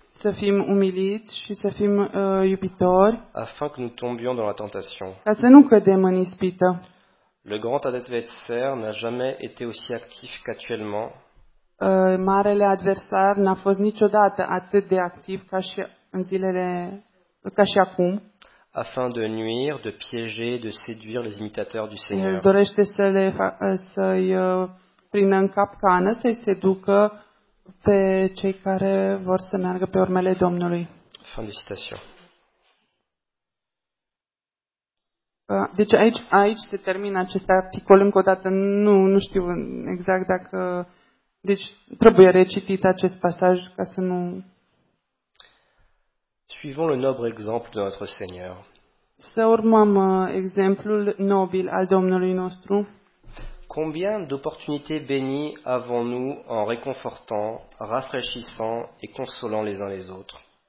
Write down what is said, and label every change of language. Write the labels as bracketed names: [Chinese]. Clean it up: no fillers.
[Romanian] Să fim umiliți și să fim iubitori. [French] Afin que nous tombions dans la tentation. [Romanian] Ca să nu cădem în ispită. [French] Le grand adversaire n'a jamais été aussi actif qu'actuellement. [Romanian] Marele adversar n-a fost niciodată atât de activ ca și în zilele ca și acum. [French] Afin de nuire, de piéger, de séduire les imitateurs du Seigneur. [Romanian] El dorește să le să-i prindă în capcană, să-i seducă pe cei care vor să meargă pe urmele Domnului. [French] Fin de citation. [Romanian] Deci aici se termină acest articol, încă o dată nu știu exact dacă, deci trebuie recitit acest pasaj ca să nu. [French] Suivons le noble exemple de notre Seigneur. [Romanian] Să urmăm exemplul nobil al Domnului nostru. [French] Combien d'opportunités bénies avons-nous en réconfortant, rafraîchissant et consolant les uns les autres.